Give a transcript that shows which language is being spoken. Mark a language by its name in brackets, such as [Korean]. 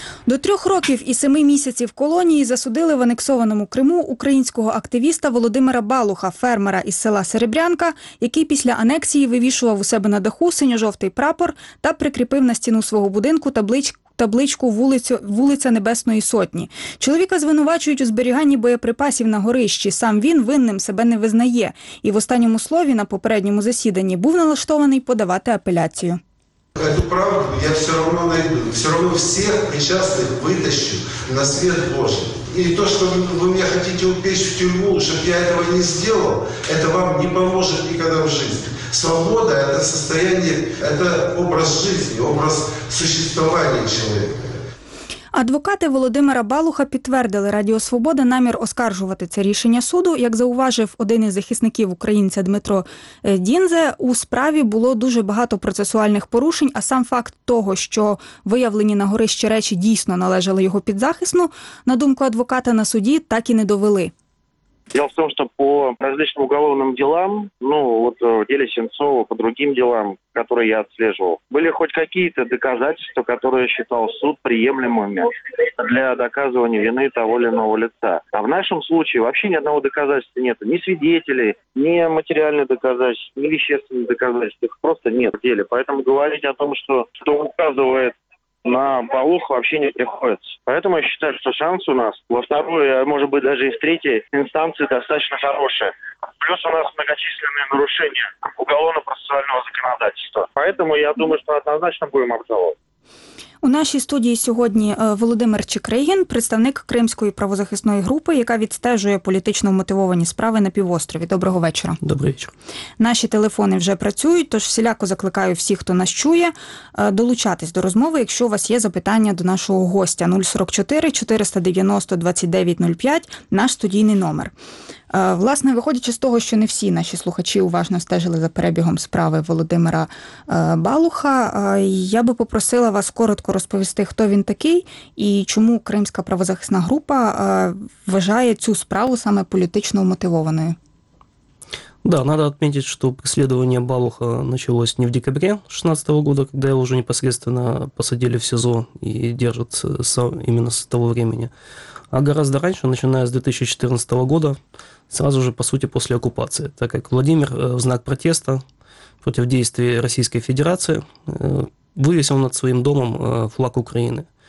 [Ukrainian] До 3 років і 7 місяців колонії засудили в анексованому Криму українського активіста Володимира Балуха, фермера із села Серебрянка, який після анексії вивішував у себе на даху синьо-жовтий прапор та прикріпив на стіну свого будинку табличку «Вулиця Небесної Сотні». Чоловіка звинувачують у зберіганні боєприпасів на горищі. Сам він винним себе не визнає. І в останньому слові на попередньому засіданні був налаштований подавати апеляцію. [Russian] Эту правду я все равно найду, все равно всех причастных вытащу на свет Божий. И то, что вы меня хотите упечь в тюрьму, чтобы я этого не сделал, это вам не поможет никогда в жизни. Свобода – это состояние, это образ жизни, образ существования человека. [Ukrainian] Адвокати Володимира Балуха підтвердили Радіо Свобода намір оскаржувати це рішення суду. Як зауважив один із захисників українця Дмитро Дінзе, у справі було дуже багато процесуальних порушень, а сам факт того, що виявлені на горищі речі дійсно належали його підзахисну, на думку адвоката, на суді так і не довели. [Russian] Дело в том, что по различным уголовным делам, ну вот в деле Сенцова, по другим делам, которые я отслеживал, были хоть какие-то доказательства, которые считал суд приемлемыми для доказывания вины того или иного лица. А в нашем случае вообще ни одного доказательства нет. Ни свидетелей, ни материальных доказательств, ни вещественных доказательств. Их просто нет в деле. Поэтому говорить о том, что указывает на Балуху вообще не приходится. Поэтому я считаю, что шанс у нас во второй, а может быть даже и в третьей инстанции достаточно хороший. Плюс у нас многочисленные нарушения уголовно-процессуального законодательства. Поэтому я думаю, что однозначно будем обжаловать. [Ukrainian] У нашій студії сьогодні Володимир Чикригін, представник Кримської правозахисної групи, яка відстежує політично мотивовані справи на півострові. Доброго вечора. Добрий вечір. Наші телефони вже працюють, тож всіляко закликаю всіх, хто нас чує, долучатись до розмови, якщо у вас є запитання до нашого гостя. 044-490-2905 – наш студійний номер. Власне, виходячи з того, що не всі наші слухачі уважно стежили за перебігом справи Володимира Балуха, я би попросила вас коротко розповісти, хто він такий і чому Кримська правозахисна група вважає цю справу саме політично мотивованою. [Russian] Да, надо отметить, что преследование Балуха началось не в декабре 2016 года, когда его уже непосредственно посадили в СИЗО и держат именно с того времени, а гораздо раньше, начиная с 2014 года, сразу же, по сути, после оккупации, так как Владимир в знак протеста против действий Российской Федерации вывесил над своим домом флаг Украины.